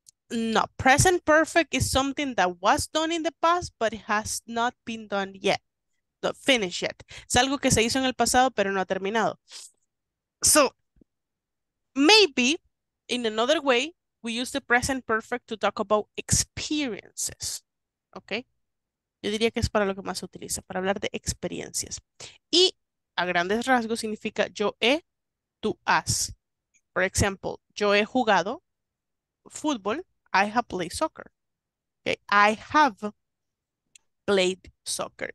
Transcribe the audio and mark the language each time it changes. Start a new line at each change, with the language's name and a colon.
English: No, present perfect is something that was done in the past, but it has not been done yet. Not finished yet.
Spanish: Es algo que se hizo en el pasado, pero no ha terminado.
English: So, maybe in another way, we use the present perfect to talk about experiences, okay?
Spanish: Yo diría que es para lo que más se utiliza, para hablar de experiencias. Y a grandes rasgos significa yo he,
English: to us. For example,
Spanish: yo he jugado fútbol.
English: I have played soccer. Okay, I have played soccer.